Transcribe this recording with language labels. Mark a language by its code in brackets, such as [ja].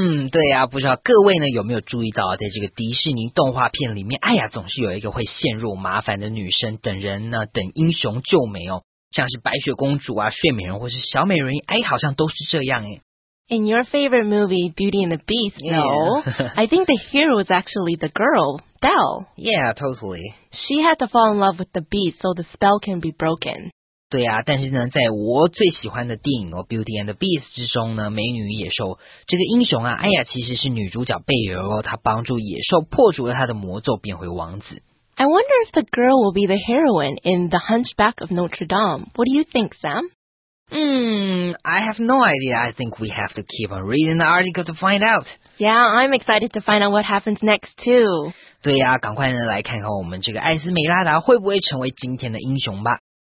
[zh] 对啊，不知道各位呢有没有注意到，在这个迪士尼动画片里面，哎呀，总是有一个会陷入麻烦的女生等人呢，等英雄救美哦。像是白雪公主啊、睡美人或是小美人，哎，好像都是这样哎。 [en] In your favorite movie, Beauty and the Beast, no. I think the hero is actually the girl, Belle. Yeah, totally. She had to fall in love with the Beast so the spell can be broken. [zh] 对啊，但是呢，在我最喜欢的电影哦，《Beauty and the Beast》之中呢，美女与野兽这个英雄啊，哎呀，其实是女主角贝儿哦，她帮助野兽破除了她的魔咒，变回王子。 [en] I wonder if the girl will be the heroine in The Hunchback of Notre Dame. What do you think, Sam? I have no idea. I think we have to keep on reading the article to find out. Yeah, I'm excited to find out what happens next, too. [zh] 对呀、啊，赶快呢来看看我们这个艾斯梅拉达会不会成为今天的英雄吧。